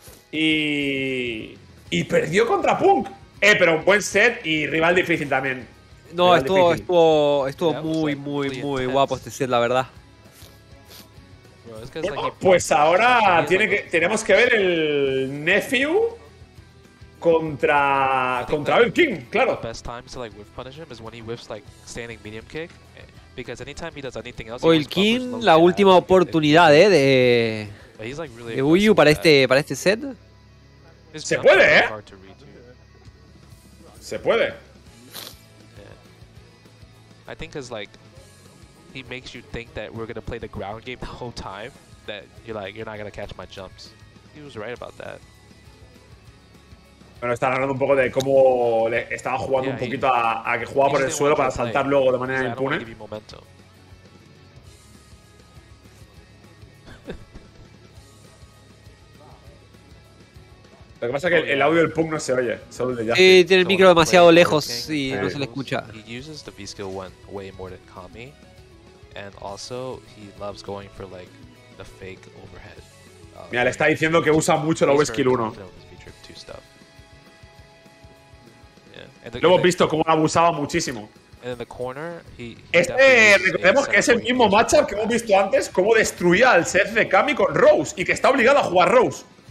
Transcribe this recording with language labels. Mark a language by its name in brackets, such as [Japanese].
[Spanish] Y perdió contra Punk. Pero un buen set y rival difícil también. No, rival estuvo difícil. estuvo muy, muy, muy guapo este set, la verdad. Pues ahora tenemos que ver el Nephew contra el King, claro. [English] The best time to like whiff punish him is when he whiffs like standing medium kick, because anytime he does anything else. [Spanish] O el King, la última oportunidad, de Uyu para este set. Se puede, ¿eh? Se puede. [English] I think it's like he makes you think that we're gonna play the ground game the whole time, that you're like you're not gonna catch my jumps. He was right about that. [Spanish] Bueno, están hablando un poco de cómo le estaba jugando un poquito a que jugaba por el suelo para saltar luego de manera impune. Lo que pasa es que el audio del Punk no se oye, solo el de Justin. Sí, tiene el micro demasiado lejos y no se le escucha. [English] He uses the B-skill one way more than Kami. And also, he loves going for like the fake overhead. [Spanish] Mira, le está diciendo que usa mucho la B-skill 1. Lo hemos visto cómo abusaba muchísimo. Recordemos que es el mismo matchup que hemos visto antes, cómo destruía al set de Kami con Rose y que está obligado a jugar Rose.